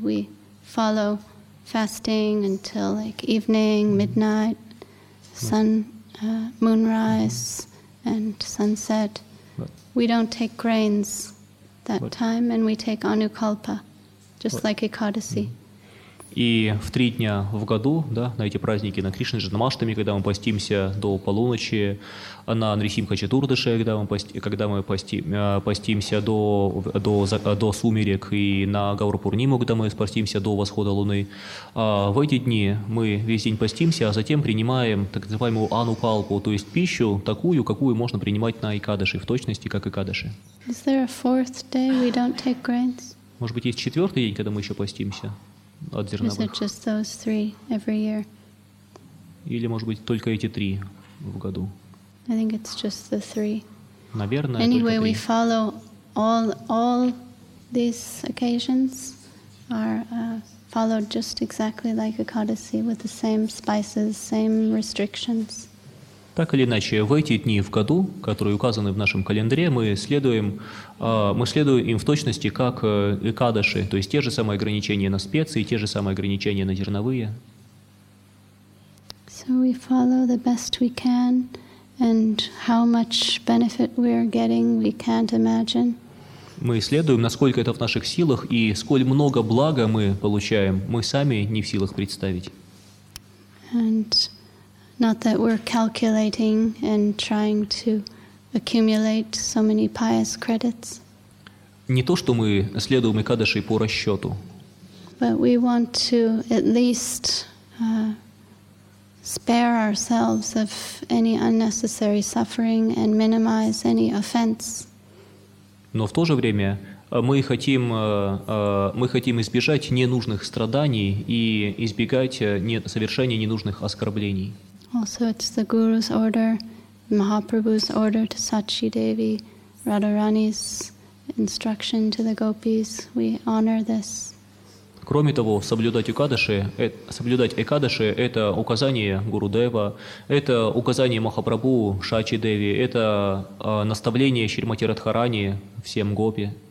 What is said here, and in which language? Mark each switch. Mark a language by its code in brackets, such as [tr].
[en] We follow fasting until like evening, midnight, sun, moonrise, and sunset. We don't take grains that time, and we take Anukalpa, just like Ekadasi. [ru] И в 3 дня в году, да, на эти праздники, на Кришна Джанмаштами, когда мы постимся до полуночи, на Нрисимха Чатурдаши, когда мы постимся до сумерек, и на Гаурапурниму, когда мы постимся до восхода луны. В эти дни мы весь день постимся, а затем принимаем так называемую анукалпу, то есть пищу такую, какую можно принимать на Экадаши, в точности, как Экадаши. [en] Is there a fourth day we don't take grains? [ru] Может быть, есть 4-й день, когда мы еще постимся? [en] Is it just those 3 every year? [ru] Или, может быть, только эти 3 в году? [en] I think it's just the 3. [ru] Наверное, [en] anyway, we follow all these occasions are followed just exactly like Ekadasi, with the same spices, same restrictions. [ru] Так или иначе, в эти дни в году, которые указаны в нашем календаре, мы следуем им в точности, как экадаши, то есть те же самые ограничения на специи, те же самые ограничения на зерновые. [en] So we follow the best we can, and how much benefit we are getting, we can't imagine. [ru] Мы исследуем, насколько это в наших силах, и сколь много блага мы получаем, мы сами не в силах представить. [en] And not that we're calculating and trying to accumulate so many pious credits. [ru] Не то, что мы следуем экадаши по расчету. [en] But we want to at least spare ourselves of any unnecessary suffering and minimize any offense. [ru] Но в то же время мы хотим избежать ненужных страданий и избегать совершения ненужных оскорблений. [en] Also, it's the Guru's order, Mahaprabhu's order to Sachi Devi, Radharani's instruction to the gopis. We honor this. [ru] Кроме того, соблюдать экадаши – это указание Гурудева, это указание Махапрабху Шачи Деви, это наставление Шримати Радхарани всем гопи.